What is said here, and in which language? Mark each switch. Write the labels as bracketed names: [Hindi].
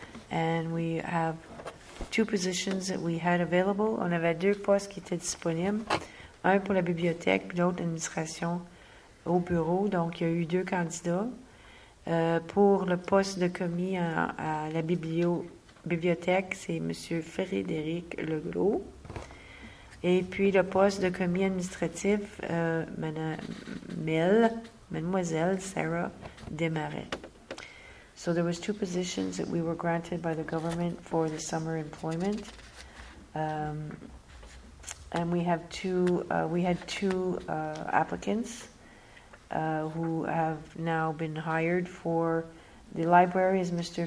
[English] And we have two positions that we had available. [French] On avait deux postes qui étaient disponibles. Un pour la bibliothèque, puis l'autre administration au bureau. Donc, il y a eu deux candidats. Pour le poste de commis à la bibliothèque, c'est M. Frédéric Legros. Et puis le poste de commis administratif, Mademoiselle Sarah Desmarais. [English] So there was two positions that we were granted by the government for the summer employment. And we had two applicants. who have now been hired for the library is Mr.